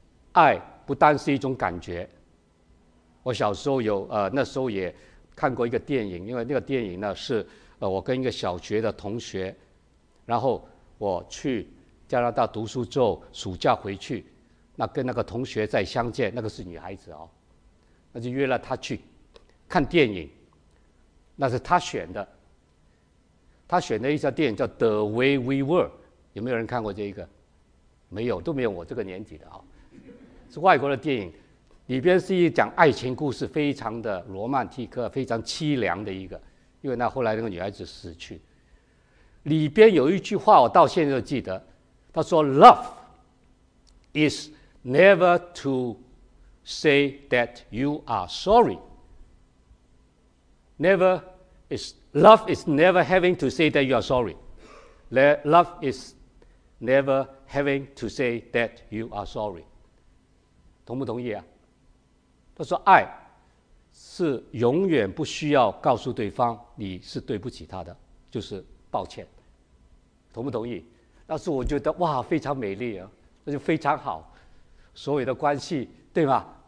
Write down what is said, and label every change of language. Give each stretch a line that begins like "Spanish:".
Chinese: 爱不单是一种感觉。我小时候有那时候也看过一个电影，因为那个电影呢是我跟一个小学的同学，然后我去加拿大读书之后，暑假回去，那跟那个同学再相见，那个是女孩子哦，那就约了她去看电影，那是她选的，她选的一家电影叫《The Way We Were》，有没有人看过这一个？没有，都没有我这个年纪的啊，是外国的电影，里边是一讲爱情故事，非常的罗曼蒂克，非常凄凉的一个，因为那后来那个女孩子死去，里边有一句话我到现在都记得。他说：“
English: Love is never to say that you are sorry. Never is love is never having to say that you are sorry. Love is never having to say that you are sorry.”
Chinese: 同不同意啊？他说：“爱是永远不需要告诉对方你是对不起他的，就是抱歉。” 同不同意？但是我觉得哇，非常美丽啊，那就非常好，所有的关系，对吗？